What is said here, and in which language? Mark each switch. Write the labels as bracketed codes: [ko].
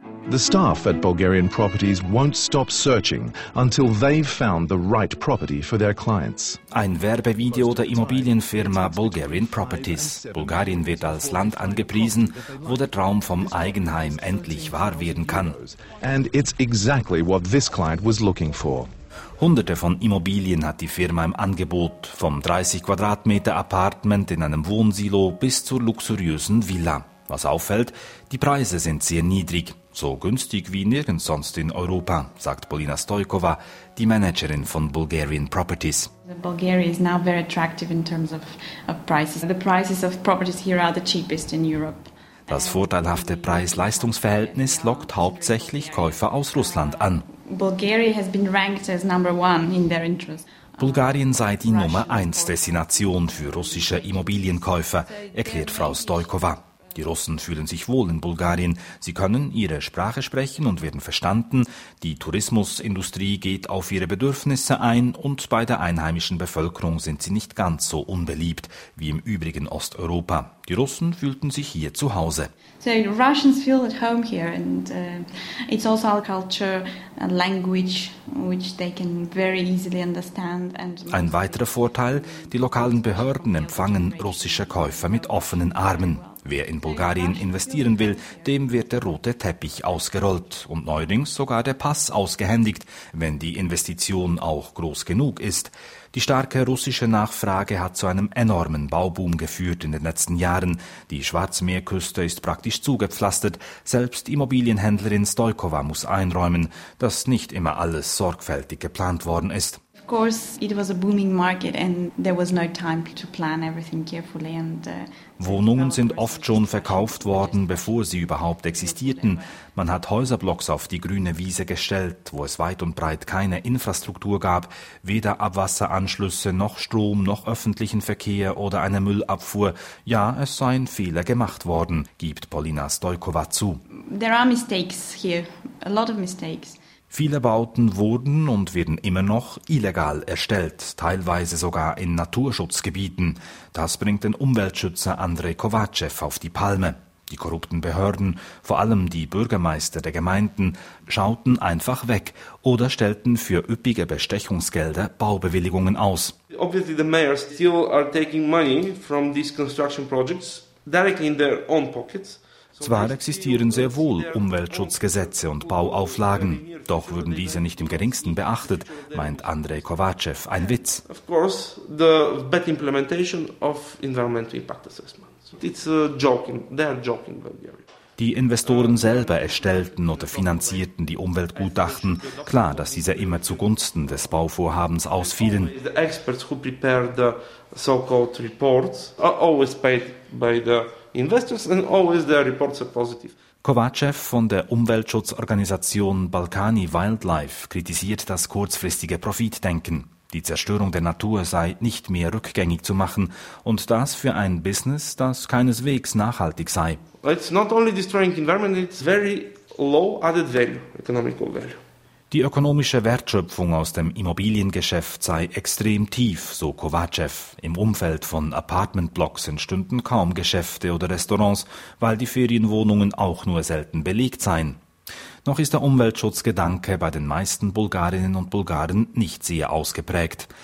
[en] The staff at Bulgarian Properties won't stop searching until they've found the right property for their clients. [de] Ein Werbevideo der Immobilienfirma Bulgarian Properties. Bulgarien wird als Land angepriesen, wo der Traum vom Eigenheim endlich wahr werden kann. [en] And it's exactly what this client was looking for. [de] Hunderte von Immobilien hat die Firma im Angebot, vom 30 Quadratmeter Apartment in einem Wohnsilo bis zur luxuriösen Villa. Was auffällt, die Preise sind sehr niedrig. So günstig wie nirgends sonst in Europa, sagt Polina Stojkova, die Managerin von Bulgarian Properties. [en] Bulgaria is now very attractive in terms of prices. The prices of properties here are the cheapest in Europe. [de] Das vorteilhafte Preis-Leistungs-Verhältnis lockt hauptsächlich Käufer aus Russland an. [en] Bulgaria has been ranked as number one in their interest. [de] Bulgarien sei die Nummer 1 Destination für russische Immobilienkäufer, erklärt Frau Stojkova. Die Russen fühlen sich wohl in Bulgarien. Sie können ihre Sprache sprechen und werden verstanden. Die Tourismusindustrie geht auf ihre Bedürfnisse ein und bei der einheimischen Bevölkerung sind sie nicht ganz so unbeliebt wie im übrigen Osteuropa. Die Russen fühlten sich hier zu Hause. [en] So Russians feel at home here and it's also our culture and language which they can very easily understand. [de] Ein weiterer Vorteil, die lokalen Behörden empfangen russische Käufer mit offenen Armen. Wer in Bulgarien investieren will, dem wird der rote Teppich ausgerollt und neuerdings sogar der Pass ausgehändigt, wenn die Investition auch groß genug ist. Die starke russische Nachfrage hat zu einem enormen Bauboom geführt in den letzten Jahren. Die Schwarzmeerküste ist praktisch zugepflastert. Selbst Immobilienhändlerin Stojkova muss einräumen, dass nicht immer alles sorgfältig geplant worden ist. [en] Of course, it was a booming market and there was no time to plan everything carefully and [de] Wohnungen sind oft schon verkauft worden, bevor sie überhaupt existierten. Man hat Häuserblocks auf die grüne Wiese gestellt, wo es weit und breit keine Infrastruktur gab, weder Abwasseranschlüsse noch Strom noch öffentlichen Verkehr oder eine Müllabfuhr. Ja, es seien Fehler gemacht worden, gibt Polina Stojkova zu. [en] There are mistakes here, a lot of mistakes. [de] Viele Bauten wurden und werden immer noch illegal erstellt, teilweise sogar in Naturschutzgebieten. Das bringt den Umweltschützer Andrei Kovacev auf die Palme. Die korrupten Behörden, vor allem die Bürgermeister der Gemeinden, schauten einfach weg oder stellten für üppige Bestechungsgelder Baubewilligungen aus. [en] Obviously the mayors still are taking money from these construction projects directly in their own pockets. [de] Zwar existieren sehr wohl Umweltschutzgesetze und Bauauflagen, doch würden diese nicht im geringsten beachtet, meint Andrei Kovacev, ein Witz. [en] Of course, the bad implementation of environmental impact assessments. It's a joking. They are joking. [de] Die Investoren selber erstellten oder finanzierten die Umweltgutachten. Klar, dass diese immer zugunsten des Bauvorhabens ausfielen. [en] The experts who prepared the so-called reports are always paid by the investors and always their reports are positive. [de] Kovacev von der Umweltschutzorganisation Balkani Wildlife kritisiert das kurzfristige Profitdenken. Die Zerstörung der Natur sei nicht mehr rückgängig zu machen und das für ein Business, das keineswegs nachhaltig sei. [en] It's not only destroying environment, it's very low added value, economical value. [de] Die ökonomische Wertschöpfung aus dem Immobiliengeschäft sei extrem tief, so Kovacev. Im Umfeld von Apartmentblocks entstünden kaum Geschäfte oder Restaurants, weil die Ferienwohnungen auch nur selten belegt seien. Noch ist der Umweltschutzgedanke bei den meisten Bulgarinnen und Bulgaren nicht sehr ausgeprägt.